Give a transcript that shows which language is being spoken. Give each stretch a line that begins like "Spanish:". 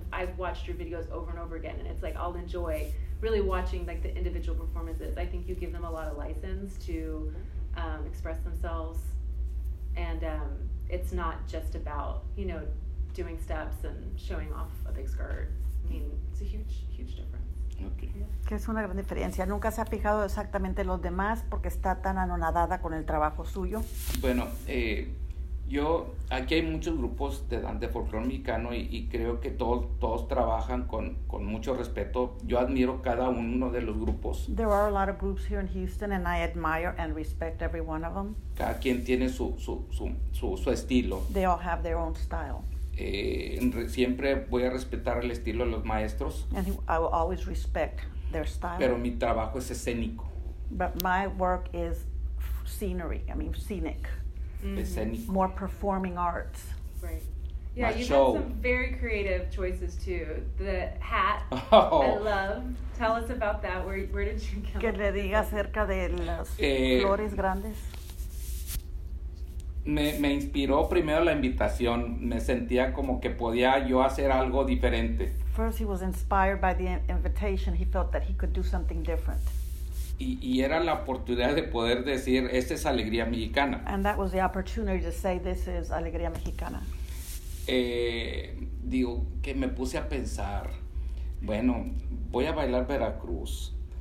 English: I've watched your videos over and over again, and it's like, I'll enjoy really watching like the individual performances. I think you give them a lot of license to express themselves, and it's not just about, you know, doing steps and showing off a big skirt. I mean, it's a huge, huge difference. Okay.
Spanish: Que es una gran diferencia. Nunca se ha fijado exactamente los demás porque está tan anonadada con el trabajo suyo. Bueno, yo aquí hay muchos grupos de danza folclor mexicano y creo que todos trabajan con mucho respeto. Yo admiro cada uno de los grupos.
English: There are a lot of groups here in Houston and I admire and respect every one of them.
Spanish: Cada quien tiene su estilo.
English: They all have their own style.
Spanish: Siempre voy a respetar el estilo de los maestros.
English: And I will always respect their style.
Spanish: Pero mi trabajo es escénico.
English: But my work is scenery. I mean scenic. Mm-hmm. More performing arts. Right. Yeah, you've had some very creative choices too. The hat I love. Tell us about that. Where did you come?
Spanish: Que le diga acerca de las flores grandes. Me inspiró primero la invitación. Me sentía como que podía yo hacer algo diferente.
English: First he was inspired by the invitation. He felt that he could do something different.
Spanish: Y era la oportunidad de poder decir, esta es Alegría Mexicana.
English: And that was the opportunity to say, this is Alegría Mexicana.
Spanish: Digo, que me puse a pensar, bueno, voy a bailar Veracruz.